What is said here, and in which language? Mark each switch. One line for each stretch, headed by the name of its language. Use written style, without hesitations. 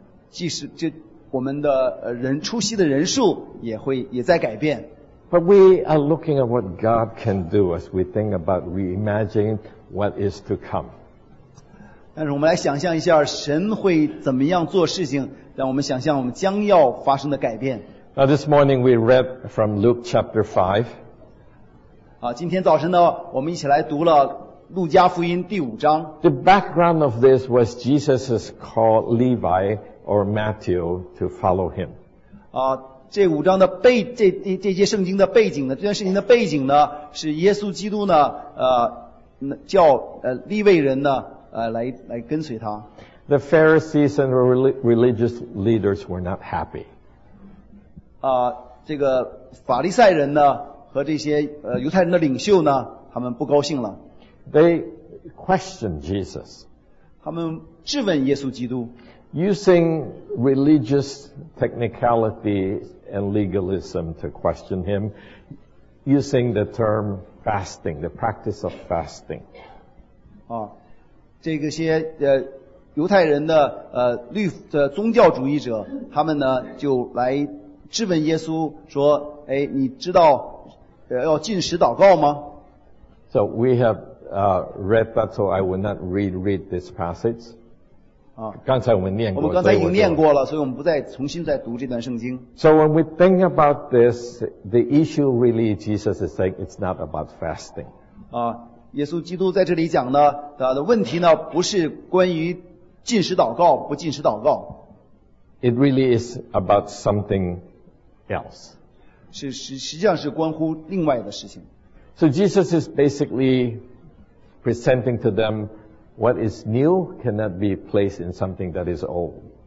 Chinese: 即使这我们的人出席的人数也在改变。
English: But we are looking at what God can do as we think about, we imagine what is to come.
Chinese: 但是我们来想象一下，神会怎么样做事情，让我们想象我们将要发生的改变。
English: Now this morning we read from Luke chapter 5.
Chinese: 今天早晨呢，我们一起来读了《路加福音》第五章。
English: The background of this was Jesus' call Levi or Matthew to follow him.
Chinese: 这五章的背这些圣经的背景呢，这段圣经的背景呢，是耶稣基督呢，叫利未人呢，来跟随他。
English: The Pharisees and religious leaders were not happy.
Chinese: 这个法利赛人呢。和这些犹太人的领袖呢，他们不高兴了。
English: They question Jesus.
Chinese: 他们质问耶稣基督。
English: Using religious technicality and legalism to question him, using the term fasting, the practice of fasting.
Chinese: 这个些犹太人的宗教主义者，他们呢就来质问耶稣说：“你知道？” 要禁食祷告吗？
English: So we have read that, so I will not reread this passage.
Chinese: 刚才我们念过，我们刚才已经念过了，所以我们不再重新再读这段圣经。
English: So when we think about this, the issue really Jesus is saying it's not about fasting.
Chinese: 耶稣基督在这里讲的问题呢，不是关于禁食祷告不禁食祷告。
English: It really is about something else.
Chinese: 实际上是关乎另外的事情。
English: So Jesus is basically presenting to them what is new cannot be placed in something that is old.